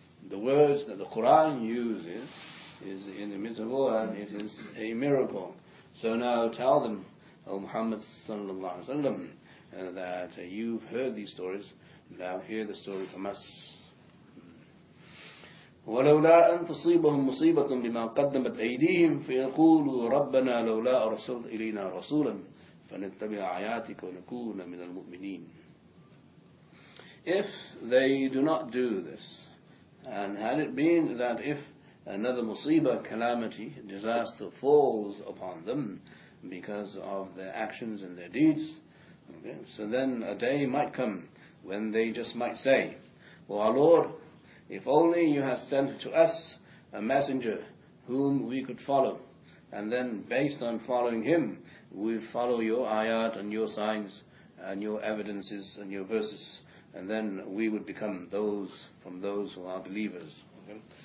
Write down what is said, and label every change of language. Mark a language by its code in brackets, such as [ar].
[en] The words that the Quran uses is inimitable and it is a miracle. So now tell them, O Muhammad sallallahu alaihi wasallam, that you've heard these stories, now hear the story from us. [ar] ولولا أن تصيبهم مصيبة بما قدمت أيديهم فيقولوا ربنا لولا أرسلت إلينا رسولا فنتبع آياتك ونكون من المؤمنين. [en] If they do not do this, and had it been that if another musibah, calamity, disaster falls upon them because of their actions and their deeds, okay, so then a day might come when they just might say, O our Lord, if only you had sent to us a messenger whom we could follow, and then based on following him, we follow your ayat and your signs and your evidences and your verses, and then we would become those from those who are believers. Okay?